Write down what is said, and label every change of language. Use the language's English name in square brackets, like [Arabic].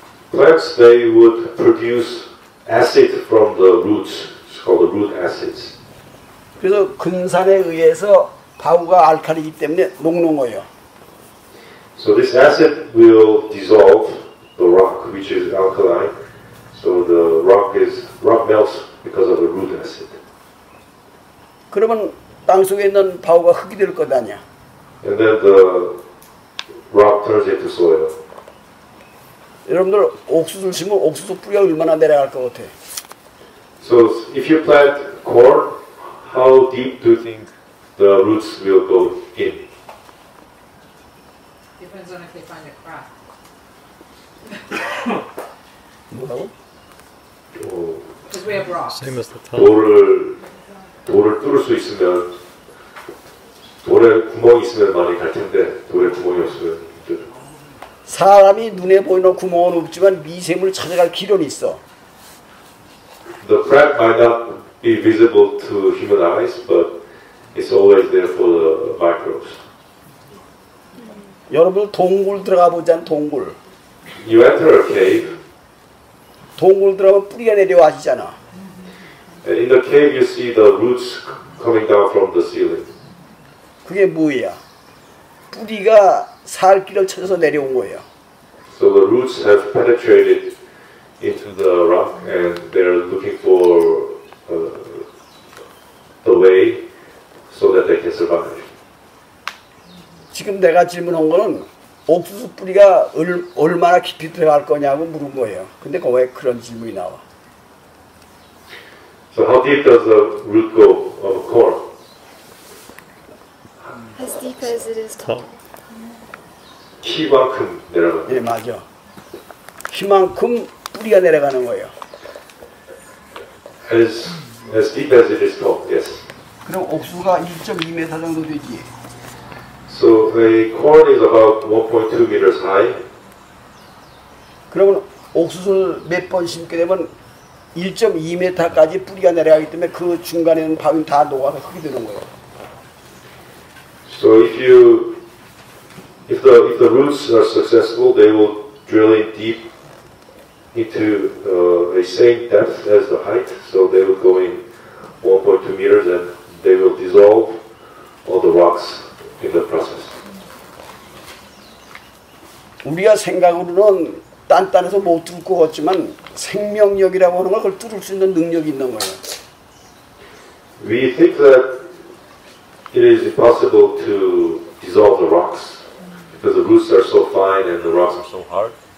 [English] Plants, they would produce acid from the roots. It's called the root acids. [Korean] 그래서 근산에 의해서 바우가 알칼리이기 때문에 녹는 거예요. [English] So this acid will dissolve the rock, which is alkaline. So the rock melts because of the root acid. [Korean] 그러면 땅 속에 있는 바우가 흙이 될 것 아니야? [English] And then the rock turns into soil. [Korean] 여러분들 옥수수 심으면 옥수수 뿌리가 얼마나 내려갈 것 같아? [English] So if you plant corn, how deep do you think the roots will go in? Depends on if they find a crack. [Korean] 뭐라고? [English] 'Cause we have rocks. Same as the top. [Korean] 돌을 뚫을 수 있으면 돌에 구멍이 있으면 많이 갈 텐데 돌에 구멍이 없으면. 사람이 눈에 보이는 구멍은 없지만 미생물을 찾아갈 길은 있어. [English] The crack might not be visible to human eyes, but It's always there for the microbes. [Korean] 여러분 동굴 들어가 보자, 동굴. [English] You enter a cave. [Korean] 동굴 들어가면 뿌리가 내려와지잖아. [English] In the cave, you see the roots coming down from the ceiling. [Korean] 그게 뭐야? 뿌리가 살 길을 찾아서 내려온 거예요. [English] So the roots have penetrated into the rock, and they're looking for the way so that they can survive. [Korean] 지금 내가 질문한 거는 옥수수 뿌리가 얼마나 깊이 들어갈 거냐고 물은 거예요. 근데 왜 그런 질문이 나와? [English] So how deep does the root go of a corn? As deep as it is tall. [Korean] 키만큼 내려가는 거예요. 네, 맞아. 키만큼 뿌리가 내려가는 거예요. [English] As deep as it is tall, yes. [Korean] 그럼 옥수수가 1.2m 정도 되지? [English] So the corn is about 1.2 meters high. [Korean] 그러면 옥수수를 몇 번 심게 되면 1.2m까지 뿌리가 내려가기 때문에 그 중간에는 밤이 다 녹아서 흙이 되는 거예요. [English] So if the roots are successful, they will drill in deep into the same depth as the height. So they will go in 1.2 meters and they will dissolve all the rocks in the process. [Korean] 우리가 생각으로는 단단해서 못 뚫을 것 같지만 생명력이라고 하는 걸 뚫을 수 있는 능력이 있는 거예요. [English] We think that it is impossible to dissolve the rocks because the roots are so fine and the rocks are so hard.